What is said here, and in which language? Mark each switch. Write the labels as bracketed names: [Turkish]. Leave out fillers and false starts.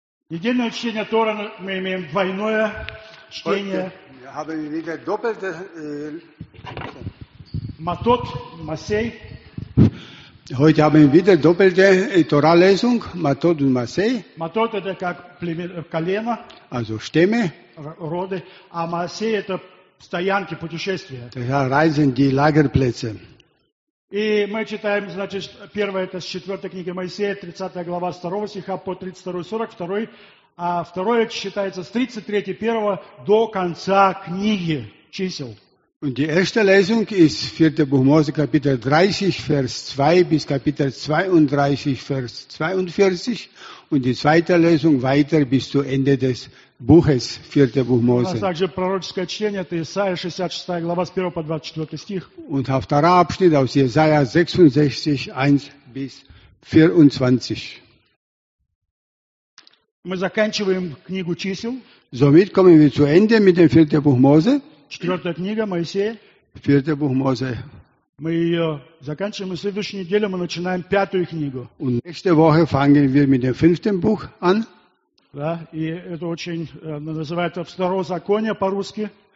[Russian] Недельное чтение Тора мы имеем двойное чтение. [German] Haben wir wieder doppelte Matot, Masei. Heute haben wir wieder doppelte Tora-Lesung, Matot und Masei. [Russian] Matot это как колено. [German] Also Stämme. [Russian] Роды. А Масей это стоянки, путешествия. [German] Das heißt, die Lagerplätze. [Russian] И мы читаем, значит, первая это с 4 книги Моисея, 30 глава 2 стиха по 32, 42, а второе считается с 33, 1 до конца книги чисел. [German] Und die erste Lesung ist 4. Buch Mose, Kapitel 30, Vers 2 bis Kapitel 32, Vers 42. Und die zweite Lesung weiter bis zum Ende des Buches, 4. Buch Mose. [Russian] Und также пророческое чтение, это Исаия 66, глава с 1 по 24 стих. [German] Und der zweite Abschnitt aus Jesaja 66, 1 bis 24. [Russian] Мы заканчиваем книгу чисел. [German] Somit kommen wir zu Ende mit dem 4. Buch Mose. [Russian] Четвертая книга Моисея. [German] Vierte Buch Mose. [Russian] Мы ее заканчиваем, и в следующей неделе мы начинаем пятую книгу. [German] Und nächste Woche fangen wir mit dem fünften Buch an. [Russian] Да, и это очень называется второзаконие по-русски.